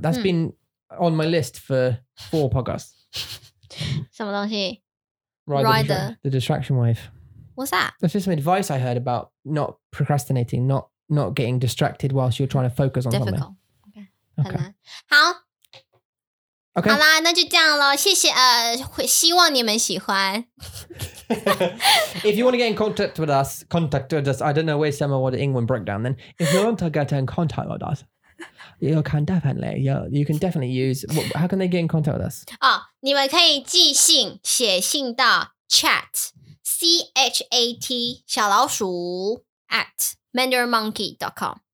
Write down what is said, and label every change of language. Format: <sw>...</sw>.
<en>That's、mm. been on my list for 4 podcasts.</en> <zh>什么东西</zh> <en>Ride the Distraction Wave. What's that? That's just some advice I heard about not procrastinating, not getting distracted whilst you're trying to focus on、 Difficult. something. Okay. Okay. 好。 Okay.</en> <zh>好啦，那就这样咯，谢谢，希望你们喜欢。</zh> <en>If you want to get in contact with us, contact with us, I don't know where some of the English breakdown then. If you want to get in contact with us, you can definitely use, how can they get in contact with us?</en> <zh>哦，你们可以寄信，写信到 chat, chat, 小老鼠, at mandarinmonkey.com.</zh>